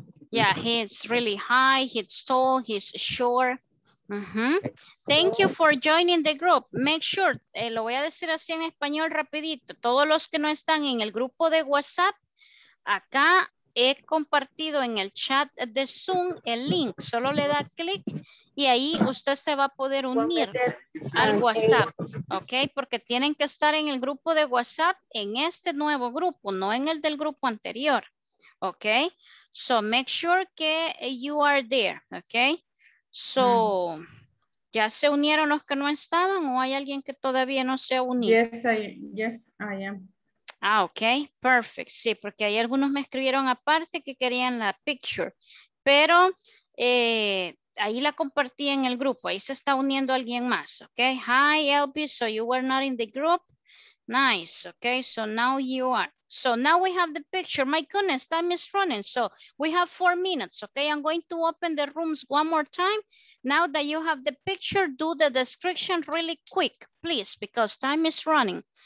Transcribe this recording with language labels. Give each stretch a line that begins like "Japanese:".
English: Yeah, he's really high, he's tall, he's short. Mm-hmm. Thank you for joining the group. Make sure,
Spanish: lo voy a decir así en español rapidito, todos los que no están en el grupo de WhatsApp, acá he compartido en el chat de Zoom el link, solo le da clic y ahí usted se va a poder unir al WhatsApp, ok, porque tienen que estar en el grupo de WhatsApp en este nuevo grupo, no en el del grupo anterior, ok,
English: so make sure
Spanish: que
English: you are there,
Spanish: ok. So, ¿ya se unieron los que no estaban o hay alguien que todavía no se ha unido?
English: Yes, I am. Ah, ok, perfect.
Spanish: Sí, porque hay algunos me escribieron aparte que querían la picture. Pero ahí la compartí en el grupo, ahí se está uniendo alguien más.
English: Ok, hi Elvis, so you were not in the group. Nice, ok, so now you are. So now we have the picture. My goodness, time is running. So we have 4 minutes, okay? I'm going to open the rooms one more time. Now that you have the picture, do the description really quick, please, because time is running.